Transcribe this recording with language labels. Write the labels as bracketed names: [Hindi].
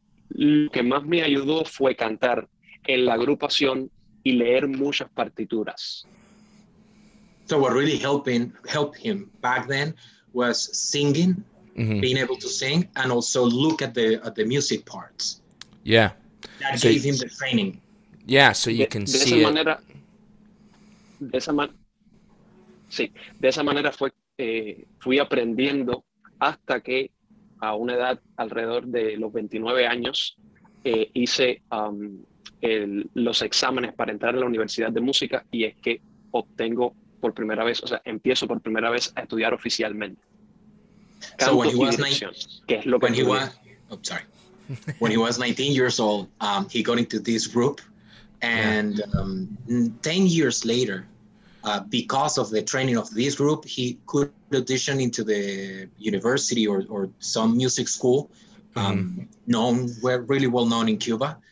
[Spanish] Lo que más me ayudó fue cantar en la agrupación y leer muchas partituras. [English] So what really helped him back then was singing, mm-hmm. being able to sing, and also look at the music parts. Yeah. That so gave him the training. Yeah, so you can see it. [Spanish] De esa manera fui aprendiendo hasta que a una edad alrededor de los 29 años hice los exámenes para entrar a la Universidad de Música y es que obtengo por primera vez, o sea, empiezo por primera vez a estudiar oficialmente. [English] Canto so when he was 19, [Spanish] que es lo que [English] he was, oh, sorry. When he was 19 years old, he got into this group and 10 years later, because of the training of this group, he could audition into the university or some music school, really well known in Cuba.